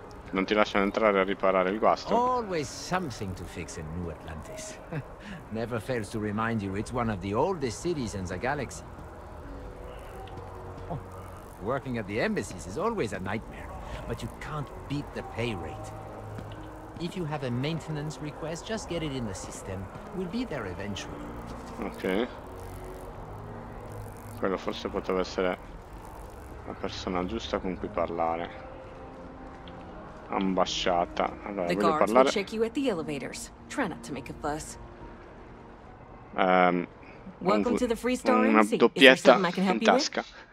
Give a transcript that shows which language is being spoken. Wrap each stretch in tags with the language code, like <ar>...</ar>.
<it>Non ti lasciano entrare a riparare il guasto.</it> <en>Always something to fix in New Atlantis. Never fails to remind you it's one of the oldest cities in the galaxy. Working at the embassies is always a nightmare, but you can't beat the pay rate. If you have a maintenance request, just get it in the system. We'll be there eventually. Okay.</en> <it>Quello forse poteva essere la persona giusta con cui parlare. Ambasciata. Allora,</it> <en>the guards will check you at the elevators. Try not to make a fuss. Welcome to the Free Star Embassy.</en> <it>Una doppietta in tasca.</it>